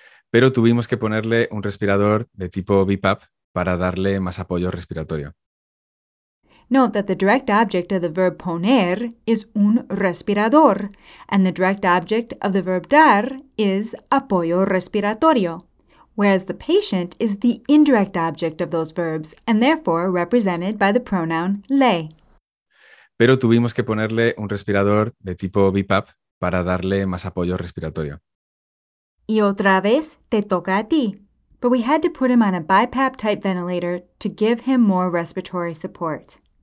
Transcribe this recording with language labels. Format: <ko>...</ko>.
<es>Pero tuvimos que ponerle un respirador de tipo BiPAP para darle más apoyo respiratorio.</es> <en>Note that the direct object of the verb poner is un respirador, and the direct object of the verb dar is apoyo respiratorio, whereas the patient is the indirect object of those verbs, and therefore represented by the pronoun le.</en> <es>Pero tuvimos que ponerle un respirador de tipo BiPAP para darle más apoyo respiratorio. Y otra vez, te toca a ti.</es> <en>But we had to put him on a BiPAP-type ventilator to give him more respiratory support.</en>